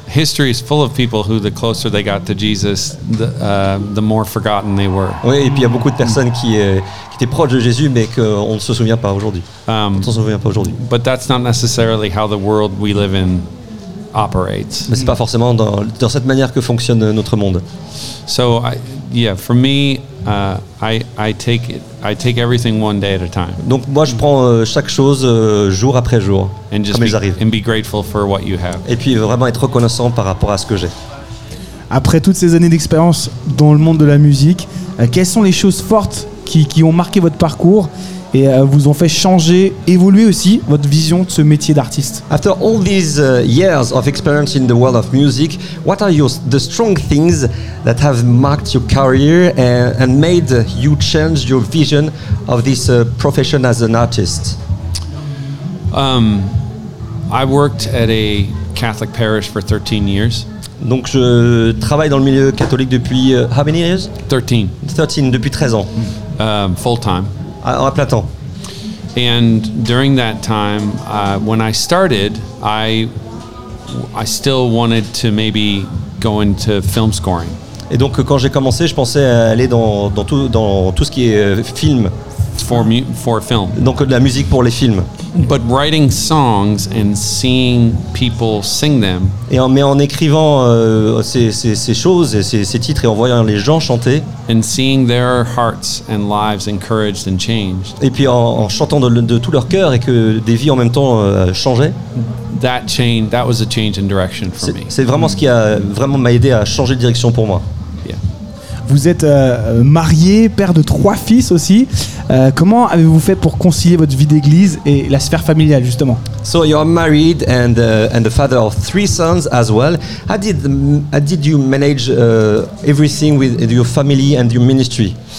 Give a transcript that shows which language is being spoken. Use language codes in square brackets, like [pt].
[en] History is full of people who the closer they got to Jesus, the more forgotten they were. [fr] Oui, et puis il y a beaucoup de personnes qui étaient proches de Jésus mais qu'on ne se souvient pas aujourd'hui. [en] But that's not necessarily how the world we live in operates. [fr] Mais c'est pas forcément dans cette manière que fonctionne notre monde. [en] So for me, I take everything one day at a time. [fr] Donc moi je prends chaque chose jour après jour [en] and [fr] comme elles arrivent. [en] And be grateful for what you have. [fr] Et puis vraiment être reconnaissant par rapport à ce que j'ai. Après toutes ces années d'expérience dans le monde de la musique, quelles sont les choses fortes qui ont marqué votre parcours et vous ont fait changer, évoluer aussi votre vision de ce métier d'artiste? [en] After all these years of experience in the world of music, what are the strong things that have marked your career and made you change your vision of this profession as an artist? I worked at a Catholic parish for 13 years. [fr] Donc je travaille dans le milieu catholique depuis [en] how many years? 13 [fr] depuis 13 ans. [en] Full time. [fr] À plein temps. [en] And during that time, when I started, I still wanted to maybe go into film scoring. [fr] Et donc quand j'ai commencé, je pensais aller dans tout ce qui est film. [en] For film. [fr] Donc de la musique pour les films. [en] But writing songs and seeing people sing them. [fr] Mais en écrivant ces choses et ces titres et en voyant les gens chanter. [en] And seeing their hearts and lives encouraged and changed. [fr] Et puis en chantant de tout leur cœur et que des vies en même temps changeaient. [en] That was a change in direction for me. [fr] C'est vraiment ce qui a vraiment m'a aidé à changer de direction pour moi. Vous êtes marié, père de 3 fils aussi. Comment avez-vous fait pour concilier votre vie d'église et la sphère familiale justement? [en] So you're married and the father of 3 sons as well. How did you manage everything with your family and your ministry?